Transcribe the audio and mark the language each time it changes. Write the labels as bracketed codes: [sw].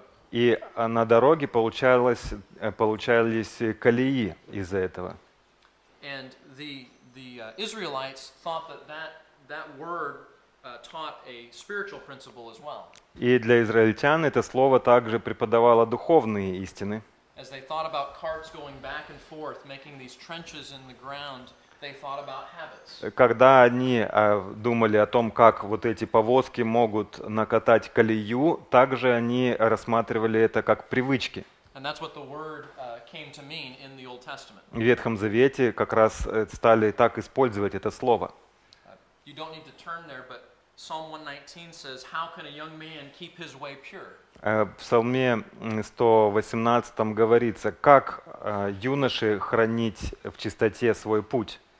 [ru] И на дороге получались колеи из-за этого. И израильтяне думали, что это слово [en] taught a spiritual principle as well. [ru] И для израильтян это слово также преподавало духовные истины. [en] As they thought about carts going back and forth, making these trenches in the ground, they thought about habits. [ru] Когда они думали о том, как вот эти повозки могут накатать колею, также они рассматривали это как привычки. [en] And that's what the word came to mean in the Old Testament. [ru] В Ветхом Завете как раз стали так использовать это слово. [en] You don't need to turn there, but Psalm 119 says, "How can a young man keep his way pure?" [ru] В Псалме 118 говорится, как юноше хранить в чистоте свой путь.